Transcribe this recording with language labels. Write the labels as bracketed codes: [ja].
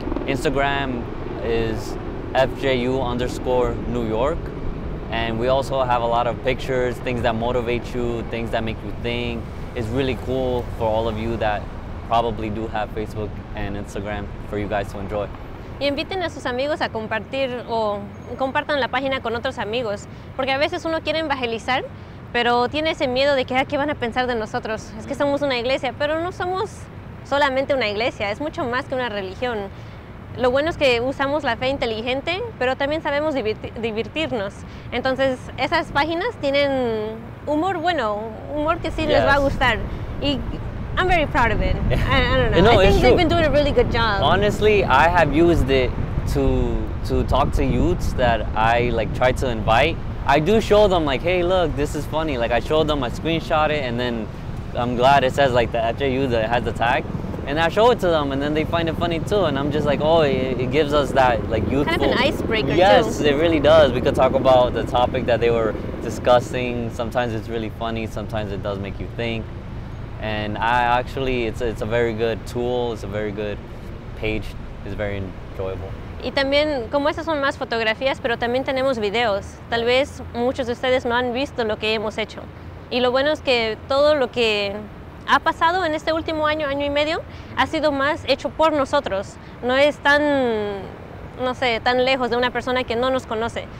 [en] Instagram is FJU_New York, and we also have a lot of pictures, things that motivate you, things that make you think. It's really cool for all of you that probably do have Facebook and Instagram for you guys to enjoy. [es] Y inviten a sus amigos a compartir o compartan la página con otros amigos, porque a veces uno quiere evangelizar, pero tiene ese miedo de que qué van a pensar de nosotros. Es que somos una iglesia, pero no somos solamente una iglesia. Es mucho más que una religión. lo bueno es que usamos la fe inteligente, pero también sabemos divertirnos. Entonces, esas páginas tienen humor bueno, humor que sí les va a gustar. [en] Y I'm very proud of it. I don't know. No, I think it's they've been doing a really good job. Honestly, I have used it to talk to youths that I like try to invite. I do show them like, hey, look, this is funny. Like I show them, I screenshot it, and then I'm glad it says like the FJU that has the tag. And I show it to them, and then they find it funny too. And I'm just like, oh, it gives us that like youthful. Kind of an icebreaker. Yes, too. It really does. We could talk about the topic that they were discussing. Sometimes it's really funny. Sometimes it does make you think. And I actually, it's a very good tool. It's a very good page. It's very enjoyable. [es] Y también, como esas son más fotografías, pero también tenemos videos. Tal vez muchos de ustedes no han visto lo que hemos hecho. Y lo bueno es que todo lo que ha pasado en este último año, año y medio, ha sido más hecho por nosotros. No es tan, no sé, tan lejos de una persona que no nos conoce.